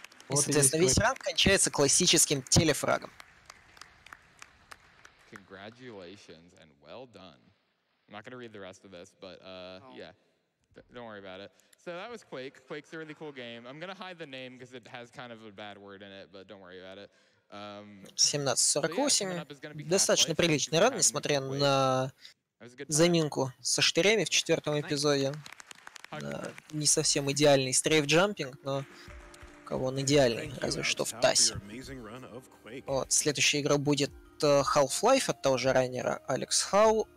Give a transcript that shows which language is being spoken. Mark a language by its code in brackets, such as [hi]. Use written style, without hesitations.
[ru] И, вот соответственно, весь ранг кончается классическим телефрагом. [en] Congratulations and well done. I'm not gonna read the rest of this, but yeah. Don't worry about it. So that was Quake. Quake's a really cool game. I'm gonna hide the name because it has kind of a bad word in it, but don't worry about it. 17:48. [ru] Достаточно приличный ранг, несмотря на заминку со штырями в четвертом эпизоде. Не совсем идеальный стрейф-джампинг, но у кого он идеальный, разве что в ТАСе. Вот, следующая игра будет Half-Life от того же раннера Алекс Хау.